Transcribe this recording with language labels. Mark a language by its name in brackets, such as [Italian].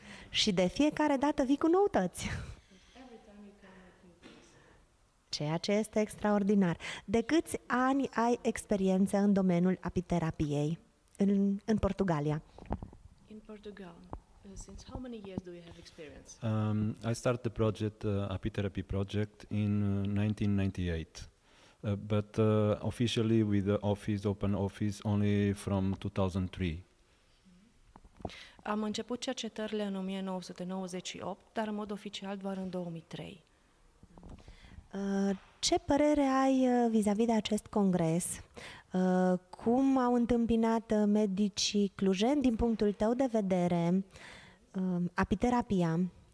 [Romanian] Și de fiecare dată vii cu noutăți. Ceea ce este extraordinar. De câți ani ai experiență în domeniul apiterapiei în Portugalia? [English] In Portugal, since how many years do you have experience? I started the project, apiterapy project, in 1998. But officially with the office, open office, only from 2003. [Romanian] Am început cercetările în 1998, dar în mod oficial doar în 2003. Ce părere ai vis-a-vis de acest congres? Cum au întâmpinat medicii clujeni din punctul tău de vedere apiterapia?